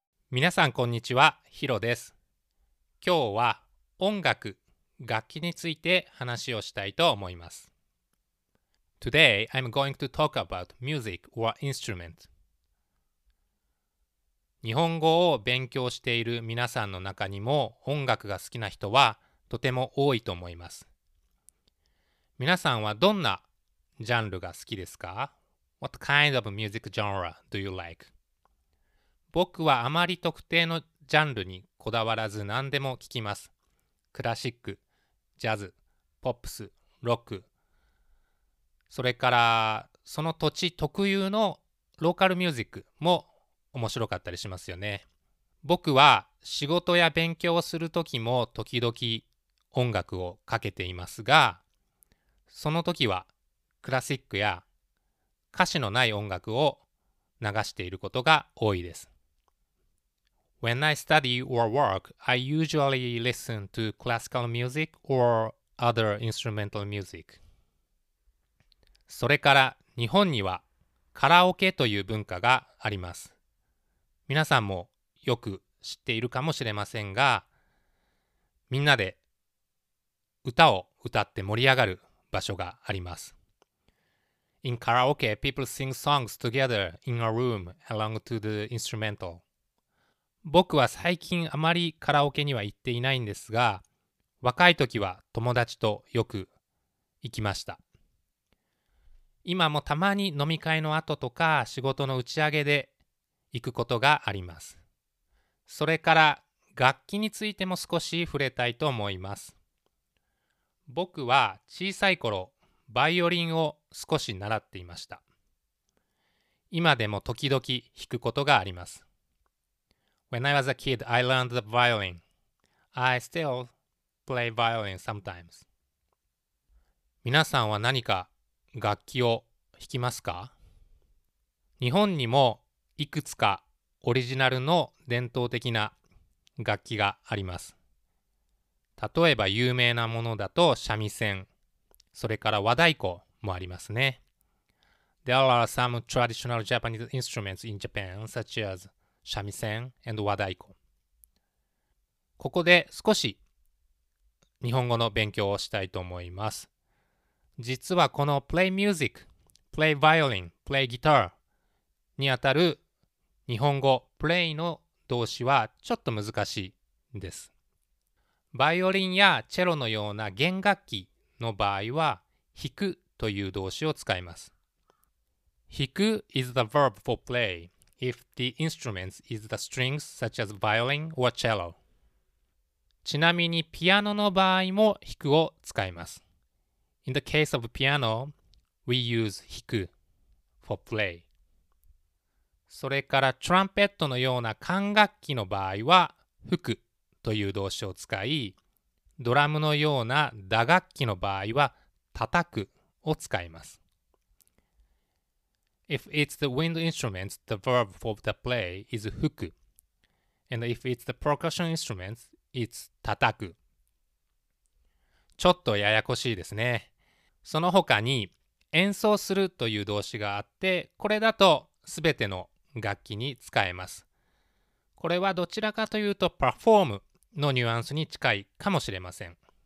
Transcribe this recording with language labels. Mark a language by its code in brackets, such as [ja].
[ja] 皆さんこんにちは、ヒロです。今日は音楽、楽器について話をしたいと思います。 [en] Today I'm going to talk about music or instrument。 [ja] 日本語を勉強している皆さんの中にも音楽が好きな人はとても多いと思います。皆さんはどんなジャンルが好きですか？ [en] What kind of music genre do you like? [ja] 僕はあまり特定のジャンルにこだわらず何でも聴きます。クラシック、ジャズ、ポップス、ロック、それからその土地特有のローカルミュージックも面白かったりしますよね。僕は仕事や勉強をするときも時々音楽をかけていますが、その時はクラシックや歌詞のない音楽を流していることが多いです。 [en] When I study or work, I usually listen to classical music or other instrumental music. [ja] それから日本にはカラオケという文化があります。皆さんもよく知っているかもしれませんが、みんなで歌を歌って盛り上がる場所があります。 [en] In karaoke, people sing songs together in a room along to the instrumental. [ja] 僕は最近あまりカラオケには行っていないんですが、若い時は友達とよく行きました。今もたまに飲み会の後とか仕事の打ち上げで行くことがあります。それから楽器についても少し触れたいと思います。僕は小さい頃、バイオリンを少し習っていました。今でも時々弾くことがあります。 [en] When I was a kid, I learned the violin. I still play violin sometimes. [ja] 皆さんは何か楽器を弾きますか？日本にもいくつかオリジナルの伝統的な楽器があります。例えば有名なものだと三味線、それから和太鼓もありますね。 [en] There are some traditional Japanese instruments in Japan, such as 三味線 and 和太鼓。 [ja] ここで少し日本語の勉強をしたいと思います。実はこの [en] play music、play violin、play guitar [ja] にあたる日本語 play の動詞はちょっと難しいです。バイオリンやチェロのような弦楽器の場合は弾くという動詞を使います。 [en] 弾く is the verb for play if the instrument is the strings such as violin or cello。 [ja] ちなみにピアノの場合も弾くを使います。 [en] In the case of piano, we use 弾く for play。 [ja] それからトランペットのような管楽器の場合は吹くという動詞を使い、ドラムのような打楽器の場合は叩くを使います。 [en] If it's the wind instrument, the verb for the play is 吹く。 And if it's the percussion instrument, it's 叩く。 [ja] ちょっとややこしいですね。その他に演奏するという動詞があって、これだとすべての楽器に使えます。これはどちらかというとパフォームのニュアンスに近いかもしれません。